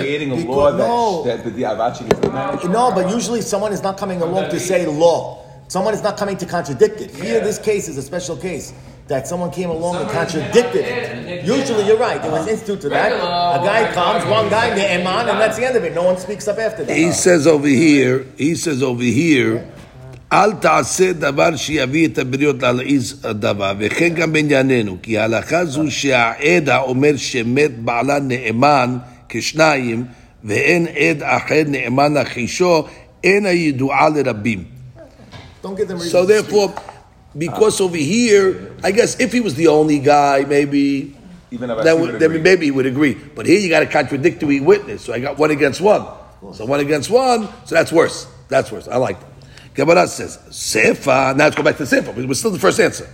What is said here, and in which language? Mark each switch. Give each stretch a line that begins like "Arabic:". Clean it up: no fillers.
English: Creating a law that with the Abad she gets married. No, but usually someone is not coming along to say law. Someone is not coming to contradict it. Here, this case is a special case. That someone came along and contradicted it. Usually, you're right. It was instituted to that. A guy comes, one guy, the Iman, and that's the end of it. No one speaks up after that. He says over here,
Hebrew: אל תעשה דבר שיביא את הבריות להלעיז הדבר, וכן גם בענייננו, כי ההלכה זו שהעד אומר שמת בעלה נאמן כשניים, ואין עד אחר נאמן לחישו, אין הידועה לרבים.
English: Don't give them reason. So therefore, because over here, I guess if he was the only guy, maybe... Then maybe he would agree. But here you got a contradictory witness, so I got one against one. So one against one, so that's worse. I like that. Gemara says, Sefa, now let's go back to Sefa. We're still the first answer.